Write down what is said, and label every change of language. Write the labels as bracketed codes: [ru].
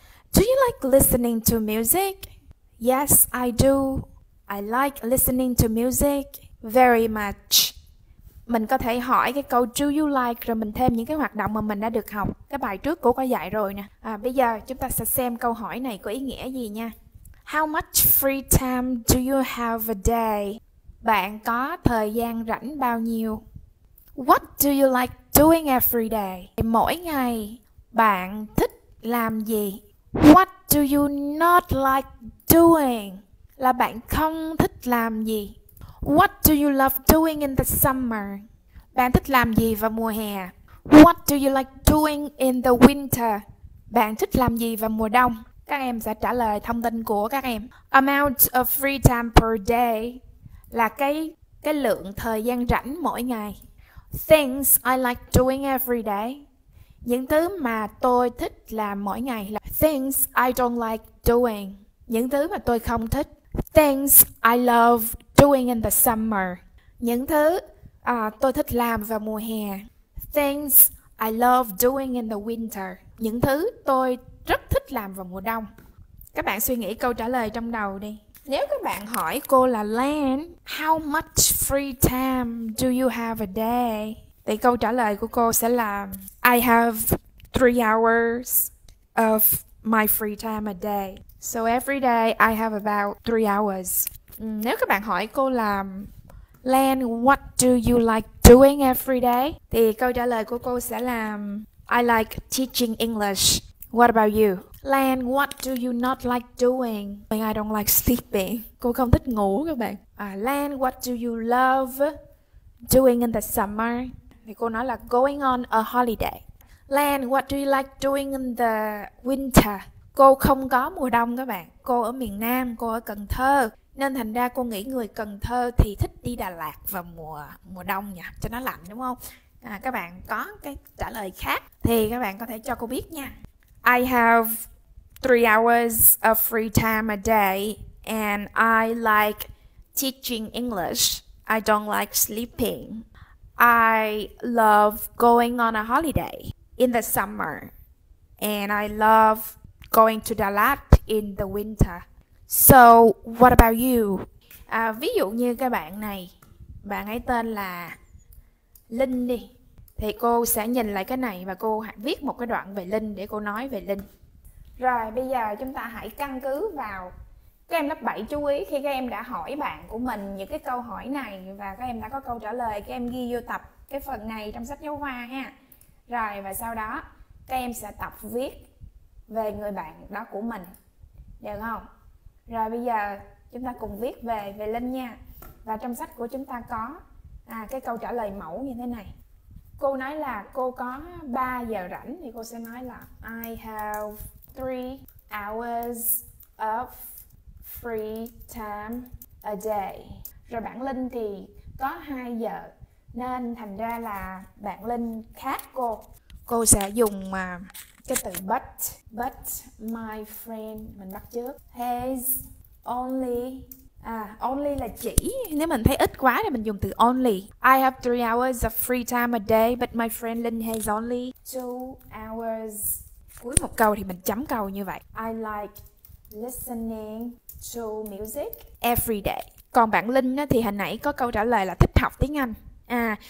[en] Do you like listening to music? Yes, I do. I like listening to music very much. [vi] Mình có thể hỏi cái câu [en] do you like [vi] rồi mình thêm những cái hoạt động mà mình đã được học. Cái bài trước cô có dạy rồi nè. Bây giờ chúng ta sẽ xem câu hỏi này có ý nghĩa gì nha. [en] How much free time do you have a day? [vi] Bạn có thời gian rảnh bao nhiêu? [en] What do you like doing every day? [vi] Mỗi ngày bạn thích làm gì? [en] What do you not like doing? [vi] Là bạn không thích làm gì? [en] What do you love doing in the summer? [vi] Bạn thích làm gì vào mùa hè? [en] What do you like doing in the winter? [vi] Bạn thích làm gì vào mùa đông? Các em sẽ trả lời thông tin của các em. [en] Amount of free time per day [vi] là cái lượng thời gian rảnh mỗi ngày. [en] Things I like doing every day. [vi] Những thứ mà tôi thích làm mỗi ngày là [en] things I don't like doing. [vi] Những thứ mà tôi không thích. [en] Things I love doing in the summer. [vi] Những thứ tôi thích làm vào mùa hè. [en] Things I love doing in the winter. [vi] Những thứ tôi rất thích làm vào mùa đông. Các bạn suy nghĩ câu trả lời trong đầu đi. Nếu các bạn hỏi cô là Lan, [en] how much free time do you have a day? [vi] Thì câu trả lời của cô sẽ là [en] I have 3 hours of my free time a day. So every day I have about 3 hours. [vi] Nếu các bạn hỏi cô là [en] Lan, what do you like doing every day? [vi] Thì câu trả lời của cô sẽ là [en] I like teaching English. What about you? Lan, what do you not like doing? I don't like sleeping. [vi] Cô không thích ngủ các bạn. [en] Lan, what do you love doing in the summer? [vi] Thì cô nói là [en] going on a holiday. Lan, what do you like doing in the winter? [vi] Cô không có mùa đông các bạn. Cô ở miền Nam, cô ở Cần Thơ. Nên thành ra cô nghĩ người Cần Thơ thì thích đi Đà Lạt vào mùa đông nhỉ? Cho nó lạnh đúng không? Các bạn có cái trả lời khác thì các bạn có thể cho cô biết nha. [en] I have 3 hours of free time a day and I like teaching English. I don't like sleeping. I love going on a holiday in the summer and I love going to Đà Lạt in the winter. So what about you? [vi] Ví dụ như cái bạn này, bạn ấy tên là Linh đi. Thì cô sẽ nhìn lại cái này và cô viết một cái đoạn về Linh để cô nói về Linh. Rồi bây giờ chúng ta hãy căn cứ vào các em lớp 7 chú ý khi các em đã hỏi bạn của mình những cái câu hỏi này và các em đã có câu trả lời, các em ghi vô tập cái phần này trong sách giáo khoa ha. Rồi và sau đó các em sẽ tập viết về người bạn đó của mình. Được không? Rồi bây giờ chúng ta cùng viết về Linh nha. Và trong sách của chúng ta có cái câu trả lời mẫu như thế này. Cô nói là cô có 3 giờ rảnh thì cô sẽ nói là [en] I have 3 hours of free time a day. [vi] Rồi bạn Linh thì có 2 giờ nên thành ra là bạn Linh khác cô. Cô sẽ dùng cái từ [en] but my friend, [vi] mình bắt chước, [en] has only. [vi] Only là chỉ. Nếu mình thấy ít quá thì mình dùng từ only. [en] I have 3 hours of free time a day, but my friend Linh has only 2 hours. [vi] Cuối một câu thì mình chấm câu như vậy. [en] I like listening to music every day. [vi] Còn bạn Linh thì hồi nãy có câu trả lời là thích học tiếng Anh.